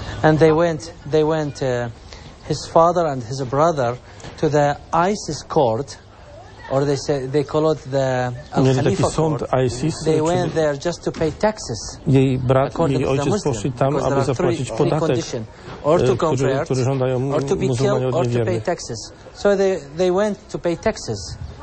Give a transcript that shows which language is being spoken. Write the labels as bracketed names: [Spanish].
[English] And they went his father and his brother to the ISIS court, or they say they call it the Al-Khalifa court. ISIS, they went there just to pay taxes. [Polish] Jej brat i ojciec poszli tam, aby zapłacić podatek. [English] Or to convert, or to be killed, or to pay taxes. So they went to pay taxes.